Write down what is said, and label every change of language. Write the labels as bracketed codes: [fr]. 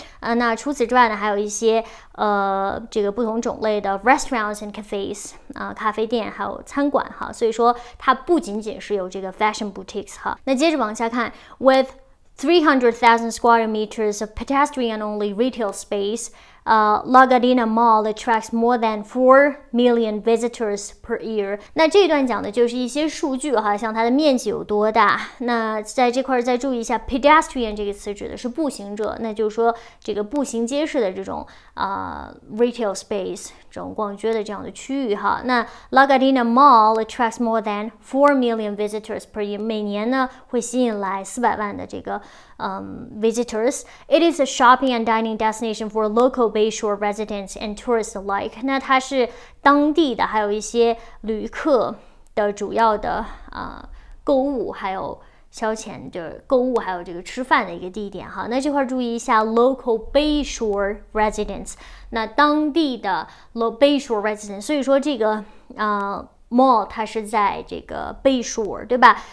[zh] 那除此之外呢，还有一些这个不同种类的 [en] restaurants and cafes， [zh] 咖啡店还有餐馆哈。所以说它不仅仅是有这个 fashion boutiques 哈。那接着往下看 [en] ，with 300,000 square meters of pedestrian-only retail space。 Lagardina Mall attracts more than 4 million visitors per year. [zh] 那这一段讲的就是一些数据哈，像它的面积有多大。那在这块再注意一下 ，pedestrian 这个词指的是步行者，那就是说这个步行街市的这种retail space， 这种逛街的这样的区域哈。 [en] 那 Lagardina Mall attracts more than 4 million visitors per year， [zh] 每年呢会吸引来400,000的这个visitors. [en] It is a shopping and dining destination for local. Bayshore residents and tourists alike. [zh] 那它是当地的，还有一些旅客的主要的购物，还有消遣的购物，还有这个吃饭的一个地点哈。那这块注意一下 ， [en] local Bayshore residents. [zh] 那当地的 Bayshore residents. 所以说这个mall 它是在这个 Bayshore 对吧？